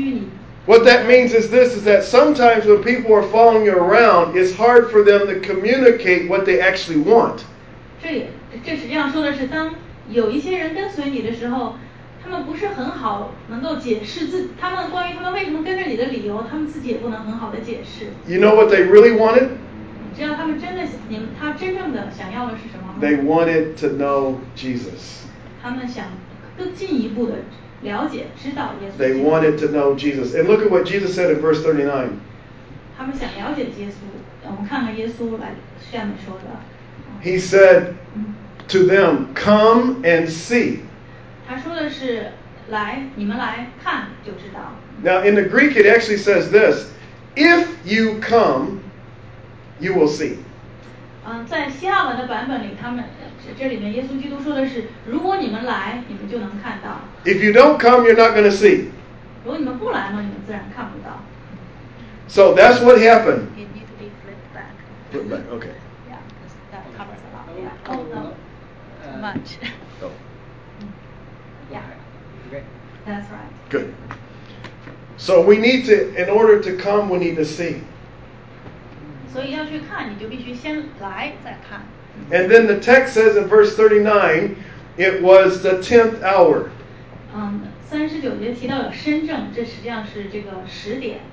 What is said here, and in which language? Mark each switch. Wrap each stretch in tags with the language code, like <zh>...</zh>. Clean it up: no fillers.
<zh>你</zh> <en>What that means is this, is that sometimes when people are following you around, it's hard for them to communicate what they actually want.</en> <zh>这实际上说的是当有一些人跟随你的时候，他们不是很好能够解释他们关于他们为什么跟着你的理由，他们自己也不能很好的解释。</zh> <en>You know what they really wanted?</en> <zh>你知道他真正的想要的是什么吗？</zh> <en>They wanted to know Jesus.</en> <zh>他们想更进一步的了解知道耶稣。</zh> <en>They wanted to know Jesus. And look at what Jesus said in verse 39.</en> <zh>他们想了解耶稣，我们看看耶稣下面说的。</zh> <en>He said to them, "Come and see."</en> <zh>他说的是来，你们来看就知道。</zh> <en>Now in the Greek it actually says this, "If you come, you will see."</en> <zh>在希腊文的版本里他们这里面耶稣基督说的是如果你们来你们就能看到。</zh> <en>If you don't come, you're not going to see.</en> <zh>如果你们不来嘛，你们自然看不到。</zh> <en>So that's what happened. It needs to be flipped back. Flipped back, okay. Yeah, that covers a lot. Yeah. Oh, no. Too much. Go. Yeah. That's right. Good. So we need to, in order to come, we need to see.</en> <zh>所以要去看你就必须先来再看。</zh> <en>And then the text says in verse 39, it was the 10th hour.</en> <zh>39节提到有深正，这实际上是这个十点。</zh>